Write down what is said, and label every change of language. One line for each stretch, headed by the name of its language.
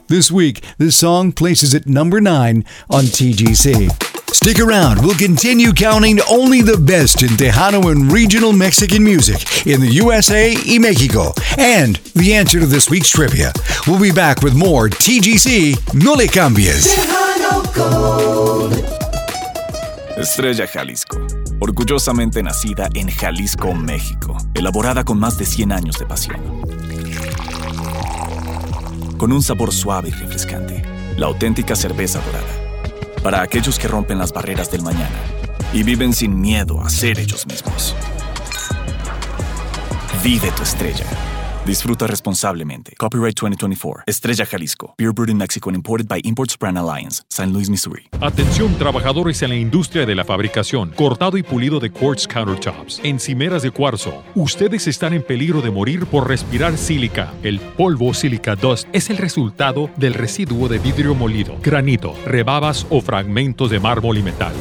English: This week, this song places at number 9 on TGC. Stick around, we'll continue counting only the best in Tejano and regional Mexican music in the USA
Spanish: y
English: Mexico. And the answer to this week's trivia. We'll be back with more TGC, No Le Cambies. Tejano Gold.
Spanish: Estrella Jalisco, orgullosamente nacida en Jalisco, México, elaborada con más de 100 años de pasión. Con un sabor suave y refrescante, la auténtica cerveza dorada. Para aquellos que rompen las barreras del mañana y viven sin miedo a ser ellos mismos. Vive tu estrella. Disfruta responsablemente. Copyright 2024. Estrella Jalisco.
English: Beer brewed in Mexico and imported by Imports Brand Alliance.
Spanish: San Luis, Missouri. Atención, trabajadores en la industria de la fabricación. Cortado y pulido de quartz countertops. Encimeras de cuarzo. Ustedes están en peligro de morir por respirar sílica. El polvo sílica dust es el resultado del residuo de vidrio molido, granito, rebabas o fragmentos de mármol y metal.